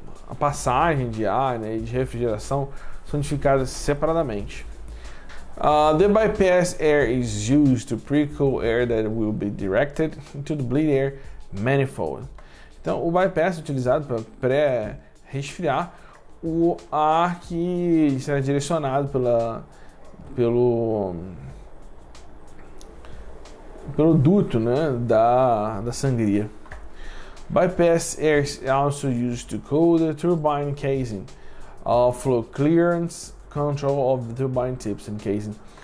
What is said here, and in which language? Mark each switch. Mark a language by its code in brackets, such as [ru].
[pt] A passagem de ar, né, e de refrigeração são identificadas separadamente. [en] The bypass air is used to pre-cool air that will be directed into the bleed air manifold. [pt] Então, o bypass é utilizado para pré-resfriar o ar que será direcionado pelo duto, né, da sangria. [en] Bypass air is also used to cool the turbine casing, flow clearance control of the turbine tips and casing.